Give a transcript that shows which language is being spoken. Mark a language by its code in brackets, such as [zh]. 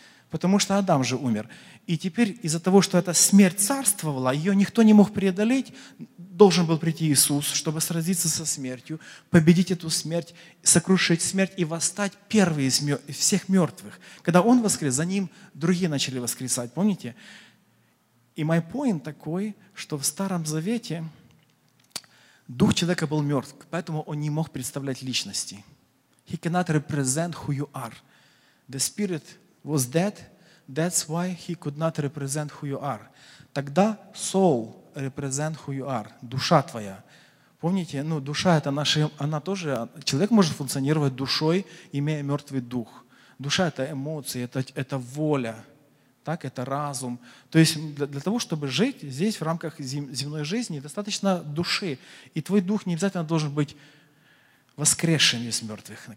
[ru] Потому что Адам же умер. И теперь из-за того, что эта смерть царствовала, ее никто не мог преодолеть, должен был прийти Иисус, чтобы сразиться со смертью, победить эту смерть, сокрушить смерть и восстать первый из всех мертвых. Когда Он воскрес, за Ним другие начали воскресать. Помните? И мой point такой, что в Старом Завете дух человека был мертв, поэтому он не мог представлять личности. [en] He cannot represent who you are. The spirit was dead, that's why he could not represent who you are. [ru] Тогда [en] soul represent who you are, [ru] душа твоя. Помните, ну душа это наша, она тоже, человек может функционировать душой, имея мертвый дух. Душа это эмоции, это воля, так, это разум. То есть для того, чтобы жить здесь в рамках земной жизни, достаточно души. И твой дух не обязательно должен быть воскресшим из мертвых.